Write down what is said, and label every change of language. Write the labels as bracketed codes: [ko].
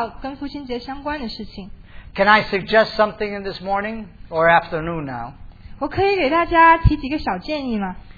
[zh] 有的时候,特别是在像这种节期的时候,如果我们有个不好的父亲,我们并不想要知道跟父亲节相关的事情。Can [en] I suggest something in this morning or afternoon now? [zh] 我可以给大家提几个小建议吗?